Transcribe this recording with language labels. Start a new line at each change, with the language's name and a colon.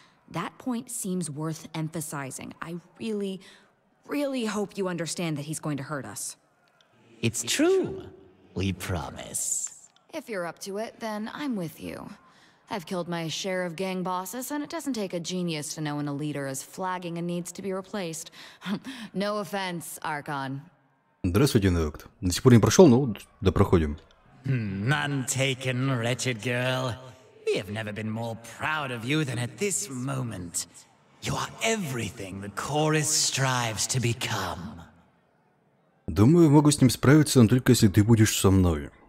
English: That point seems worth emphasizing. I really, really hope you understand that he's going to hurt us. It's true. We promise. If you're up to it, then I'm with you. I've killed my share of gang bosses, and it doesn't take a genius to know when a leader is flagging and needs to be replaced. No offense, Archon.
Russian: Здравствуйте, Нокт. До сих пор не прошел, но да проходим.
English: None taken, wretched girl. We have never been more proud of you than at this moment. You are everything the Chorus strives to become.
Russian: Думаю, могу с ним справиться, но только если ты будешь со мной.